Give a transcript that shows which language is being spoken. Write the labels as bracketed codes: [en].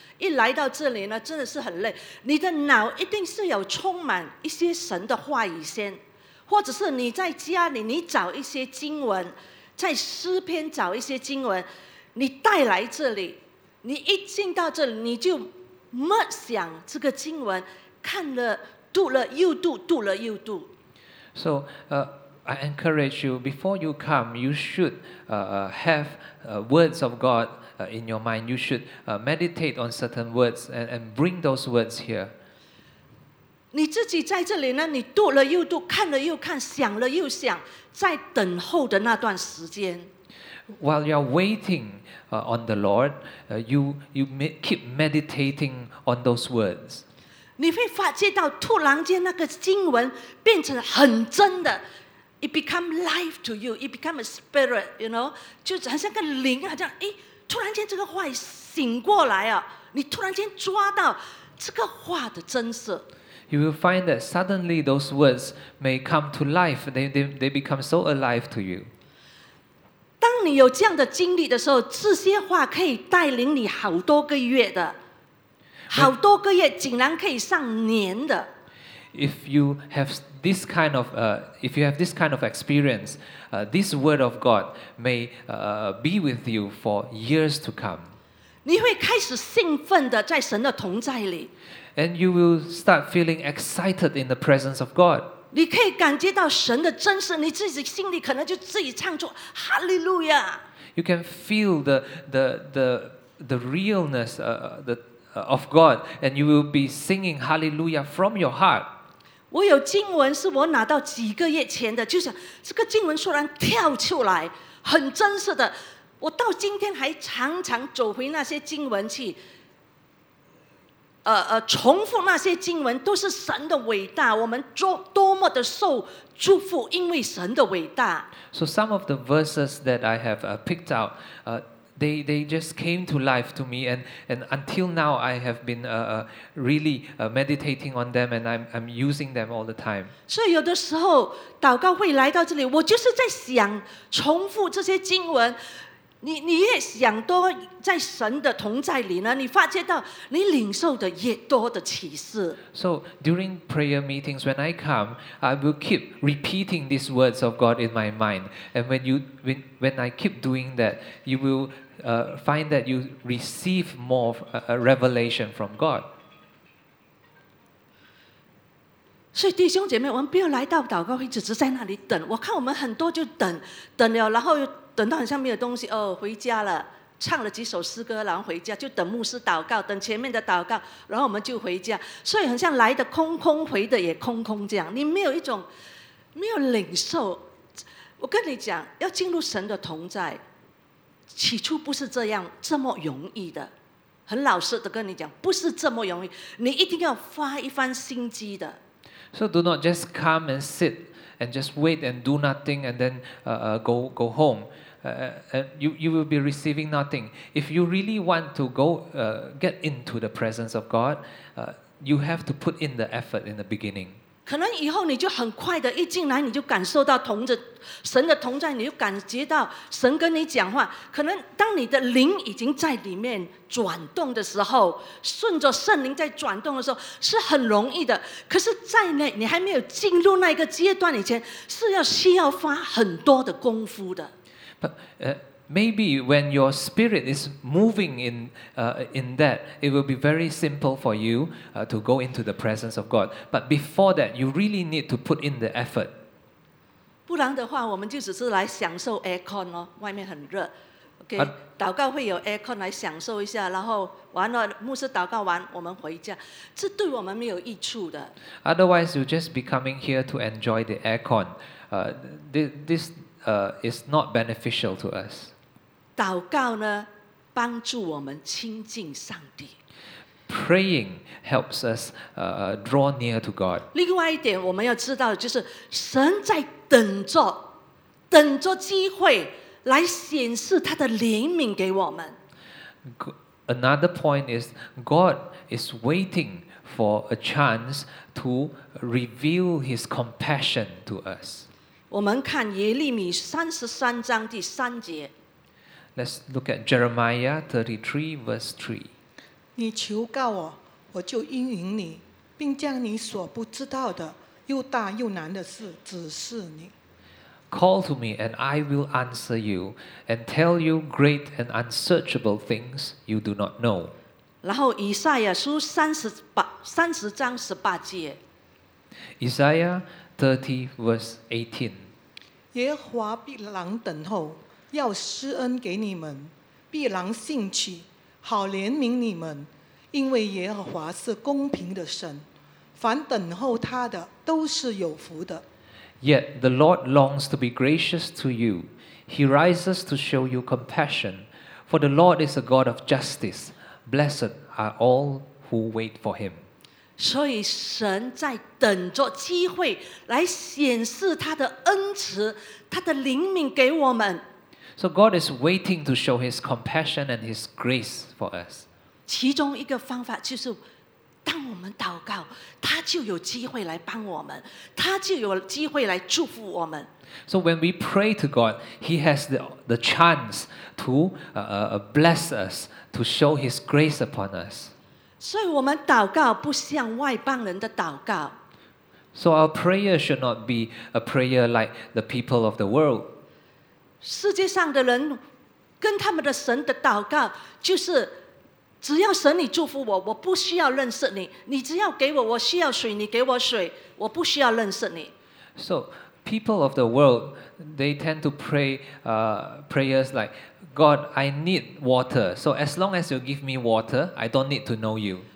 [zh] 一来到这里呢，真的是很累。你的脑一定是有充满一些神的话语先，或者是你在家里你找一些经文。在诗篇找一些经文，你带来这里，你一进到这里，你就默想这个经文，看了，读了又读，读了又读。 [en] So, I encourage you, before you come, you should have words of God in your mind. You should meditate on certain words and bring those words here. [zh] 你自己在这里呢，你读了又读，看了又看，想了又想。在等候的那段时间 [en] ，While you are waiting on the Lord, you keep meditating on those words. [zh] 你会发觉到突然间那个经文变成很真的 ， [en] It become life to you. It become a spirit. You know, [zh] 就好像个灵啊，这样，哎，突然间这个话醒过来啊，你突然间抓到这个话的真实。 [en] You will find that suddenly those words may come to life. They become so alive to you. [zh] 当你有这样的经历的时候，这些话可以带领你好多个月的，好多个月，竟然可以上年的。 [en] If you have this kind of experience, this word of God may be with you for years to come. [zh] 你会开始兴奋的在神的同在里。 [en] And you will start feeling excited in the presence of God. [zh] 你可以感觉到神的真实，你自己心里可能就自己唱出 Hallelujah. [en] You can feel the realness of God, and you will be singing Hallelujah from your heart. [zh] 我有经文是我拿到几个月前的，就是这个经文突然跳出来，很真实的。我到今天还常常走回那些经文去。重复那些经文都是神的伟大，我们多么的受祝福，因为神的伟大。 [en] So some of the verses that I have picked out, they just came to life to me, and until now I have been really meditating on them, and I'm using them all the time. [zh] 所以有的时候祷告会来到这里，我就是在想重复这些经文。你越想多在神的同在里呢，你发觉到你领受的越多的启示。 [en] So during prayer meetings, when I come, I will keep repeating these words of God in my mind. And when I keep doing that, you will find that you receive more revelation from God. [zh] 所以弟兄姐妹，我们不要来到祷告会，只是在那里等。我看我们很多就等等了，然后又。等到很像没有东西哦，回家了，唱了几首诗歌，然后回家就等牧师祷告，等前面的祷告，然后我们就回家。所以很像来的空空，回的也空空，这样你没有一种没有领受。我跟你讲，要进入神的同在，起初不是这样这么容易的。很老实的跟你讲，不是这么容易，你一定要花一番心机的。 [en] So do not just come and sit. And just wait and do nothing, and then go home. You will be receiving nothing. If you really want to go get into the presence of God, you have to put in the effort in the beginning. [zh] 可能以后你就很快的一进来，你就感受到同着神的同在，你就感觉到神跟你讲话。可能当你的灵已经在里面转动的时候，顺着圣灵在转动的时候是很容易的。可是，在你还没有进入那个阶段以前，是要需要花很多的功夫的。 [en] Maybe when your spirit is moving in that, it will be very simple for you to go into the presence of God. But before that, you really need to put in the effort. [zh] 不然的话，我们就只是来享受 aircon 咯，外面很热。 OK， 祷告会有 aircon 来享受一下，然后完了牧师祷告完，我们回家，这对我们没有益处的。 [en] Otherwise, you just be coming here to enjoy the aircon. This is not beneficial to us. [zh] 祷告呢，帮助我们亲近上帝。 [en] Praying helps us draw near to God. [zh] 另外一点我们要知道的就是神在等着，等着机会来显示他的怜悯给我们。 [en] Another point is God is waiting for a chance to reveal His compassion to us. [zh] 我们看耶利米33章第三节。 [en] Let's look at Jeremiah 33 verse 3. [zh] 你求告我，我就应允你，并将你所不知道的又大又难的事指示你。 [en] Call to me, and I will answer you, and tell you great and unsearchable things you do not know. [zh] 然后以赛亚书30章18节。 [en] Isaiah 30:18。 [zh] 耶和华必然等候，要施恩给你们，必然兴起。好怜悯你们，因为耶和华是公平的神，凡等候他的都是有福的。 [en] Yet the Lord longs to be gracious to you; He rises to show you compassion. For the Lord is a God of justice. Blessed are all who wait for Him. [zh] 所以神在等着机会来显示他的恩慈，他的怜悯给我们。 [en] So God is waiting to show His compassion and His grace for us. [zh] 其中一个方法就是，当我们祷告，他就有机会来帮我们，他就有机会来祝福我们。 [en] So when we pray to God, He has the chance to bless us, to show His grace upon us. [zh] 所以我们祷告不像外邦人的祷告。 [en] So our prayer should not be a prayer like the people of the world. [zh] 世界上的人跟他们的神的祷告就是，只要神你祝福我，我不需要认识你，你只要给我，我需要水，你给我水，我不需要认识你。 [en] So people of the world, they tend to pray prayers like, God, I need water. So as long as you give me water, I don't need to know you.